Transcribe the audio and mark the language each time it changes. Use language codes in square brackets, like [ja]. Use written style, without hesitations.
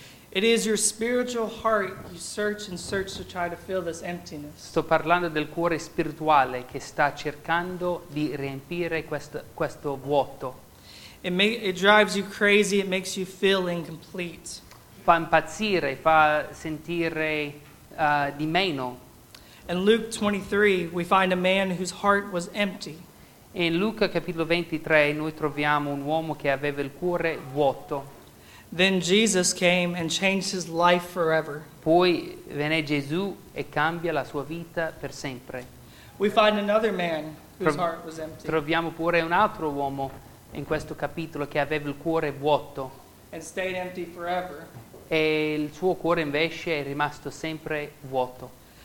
[en] It is your spiritual heart you search and search to try to fill this emptiness. [it] Sto parlando del cuore spirituale che sta cercando di riempire questo vuoto. [en] It drives you crazy, it makes you feel incomplete. [it] Fa impazzire, fa sentire di meno. [en] In Luke 23 we find a man whose heart was empty. [it] In Luca capitolo 23 noi troviamo un uomo che aveva il cuore vuoto. [en] Then Jesus came and changed his life forever. [it] Poi venne Gesù e cambia la sua vita per sempre. [en] We find another man whose heart was empty. [it] Troviamo pure un altro uomo in questo capitolo che aveva il cuore vuoto. [en] and stayed empty forever. [it] E il suo cuore invece è rimasto sempre vuoto.